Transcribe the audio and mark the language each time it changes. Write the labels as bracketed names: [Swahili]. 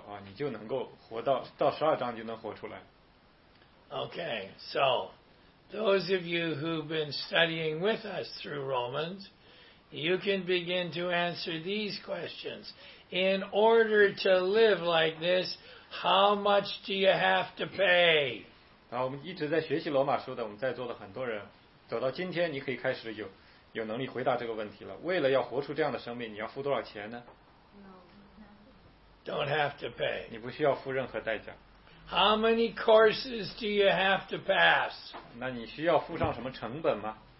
[Chinese] 所以如果你真的按照罗马书告诉你的方式去走啊，你就能够活到12章就能活出来。 [English] Okay, so those of you who've been studying with us through Romans, you can begin to answer these questions. In order to live like this, how much do you have to pay? [Chinese] 我们一直在学习罗马书的，我们在座的很多人，走到今天你可以开始有。有能力回答这个问题了。为了要活出这样的生命，你要付多少钱呢？ [English] Don't don't have to pay. [Chinese] 你不需要付任何代价。 [English] How many courses do you have to pass? [Chinese] 那你需要付上什么成本吗？